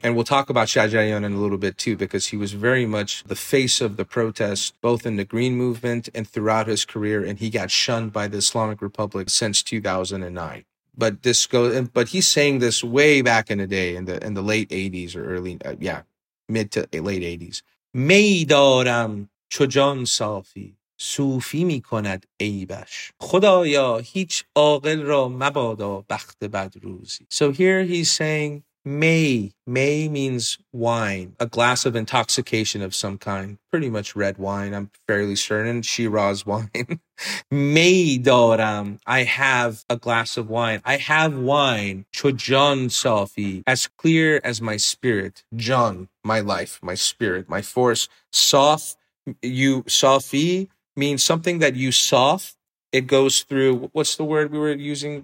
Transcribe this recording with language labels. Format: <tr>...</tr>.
<en>And we'll talk about Shajaryan in a little bit too, because he was very much the face of the protest, both in the Green Movement and throughout his career, and he got shunned by the Islamic Republic since 2009. But this but he's saying this way back in the day, in the late 80s or early, mid to late 80s.</en> <fa>میدارم چو جان صافی صوفی می کند عیبش خدایا هیچ عاقل را مبادا بخت بد روزی.</fa> <en>So here he's saying may means wine, a glass of intoxication of some kind, pretty much red wine, I'm fairly certain, Shiraz wine.</en> <fa>May daram,</fa> <en>I have a glass of wine. I have wine,</en> <fa>chojan safi,</fa> <en>as clear as my spirit, jan, my life, my spirit, my force, saf, you safi, means something that you soft, it goes through, what's the word we were using?</en>